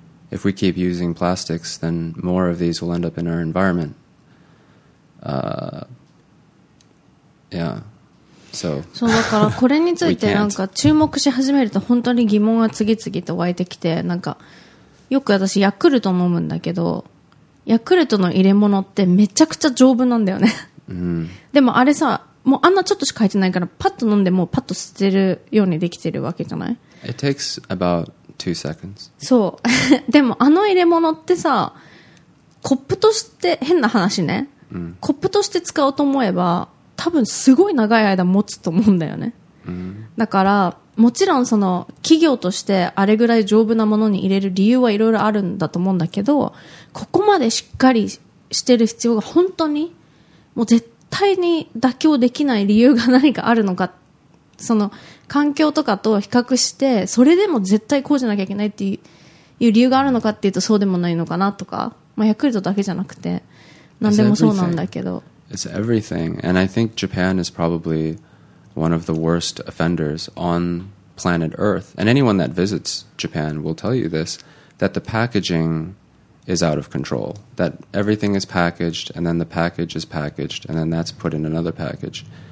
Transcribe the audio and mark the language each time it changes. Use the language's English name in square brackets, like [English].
[English] If we keep using plastics, then more of these will end up in our environment. So, [Japanese] そうだからこれについてなんか注目し始めると本当に疑問が次々と湧いてきて、なんかよく私ヤクルト飲むんだけど、ヤクルトの入れ物ってめちゃくちゃ丈夫なんだよね、うん、でもあれさ、もうあんなちょっとしか入ってないからパッと飲んでもうパッと捨てるようにできてるわけじゃない。 [English] It takes about 2 seconds. [Japanese] そうでもあの入れ物ってさ、コップとして、変な話ね、うん、コップとして使おうと思えば多分すごい長い間持つと思うんだよね、うん、だからもちろんその企業としてあれぐらい丈夫なものに入れる理由はいろいろあるんだと思うんだけど、ここまでしっかりしてる必要が本当にもう絶対に妥協できない理由が何かあるのか、その環境とかと比較してそれでも絶対こうじゃなきゃいけないっていう理由があるのかっていうと、そうでもないのかなとか、まあ、ヤクルトだけじゃなくて何でもそうなんだけど、 [English] It's everything. And I think Japan is probablyone of the worst offenders on planet Earth. And anyone that visits Japan will tell you this, that the packaging is out of control, that everything is packaged, and then the package is packaged, and then that's put in another package.